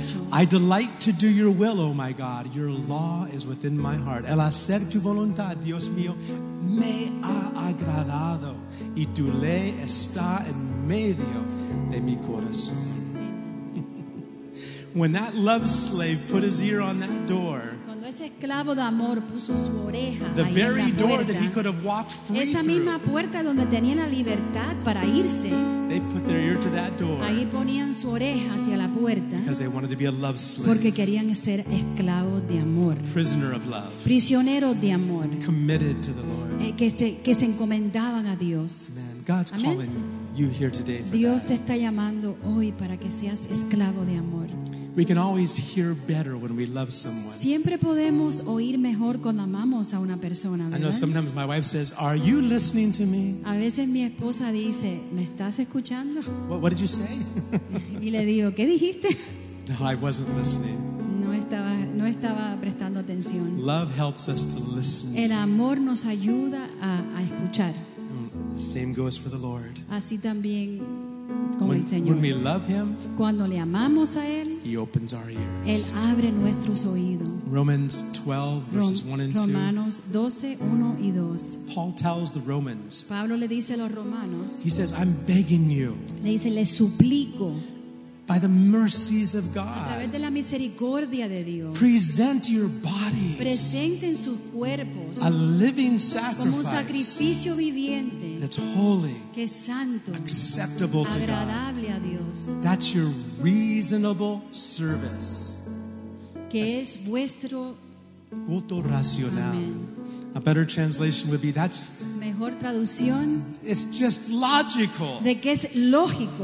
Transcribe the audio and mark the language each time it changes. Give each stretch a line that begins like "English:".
English: I delight to do your will, O my God. Your law is within my heart.
Spanish: El hacer tu voluntad, Dios mío, me ha agradado. Y tu ley está en medio de mi corazón.
English: When that love slave put his ear on that door,
Spanish: cuando ese esclavo de amor puso su oreja
English: the
Spanish: ahí
English: very
Spanish: en la puerta,
English: door that he could have walked free
Spanish: esa misma puerta
English: through,
Spanish: donde tenía la libertad para irse,
English: they put their ear to that door
Spanish: ahí ponían su oreja hacia la puerta,
English: because they wanted to be a love slave,
Spanish: porque querían ser esclavo de amor,
English: prisoner of love,
Spanish: prisionero de amor,
English: committed to the Lord,
Spanish: que se encomendaban a Dios.
English: Amen. God's amen. Calling you here today for
Spanish: Dios
English: that.
Spanish: Te está llamando hoy para que seas esclavo de amor.
English: We can always hear better when we love someone.
Spanish: Siempre podemos oír mejor cuando amamos a una persona, ¿verdad?
English: I know sometimes my wife says, "Are you listening to me?"
Spanish: A veces mi esposa dice, "¿Me estás escuchando?"
English: What did you say?
Spanish: Y le digo, "¿Qué dijiste?"
English: No, I wasn't listening.
Spanish: No estaba prestando atención.
English: Love helps us to listen.
Spanish: El amor nos ayuda a escuchar.
English: The same goes for the Lord.
Spanish: Así también
English: when,
Spanish: el Señor.
English: When we love him,
Spanish: cuando le amamos a él,
English: he opens our ears.
Spanish: Él abre nuestros oídos.
English: Romans 12, verses 1 and 2.
Spanish: Romanos 12, 1 y 2.
English: Paul tells the Romans,
Spanish: Pablo le dice a los Romanos,
English: he says, I'm begging you.
Spanish: Le dice, le suplico.
English: By the mercies of God,
Spanish: a través de la misericordia de Dios,
English: present your bodies,
Spanish: presenten sus cuerpos,
English: a living sacrifice,
Spanish: como un sacrificio viviente,
English: that's holy,
Spanish: que es santo,
English: acceptable to God,
Spanish: agradable a Dios.
English: That's your reasonable service,
Spanish: que
English: that's
Spanish: es vuestro culto racional.
English: Amen. A better translation would be that's
Spanish: mejor mejor traducción.
English: It's just logical.
Spanish: De que es lógico.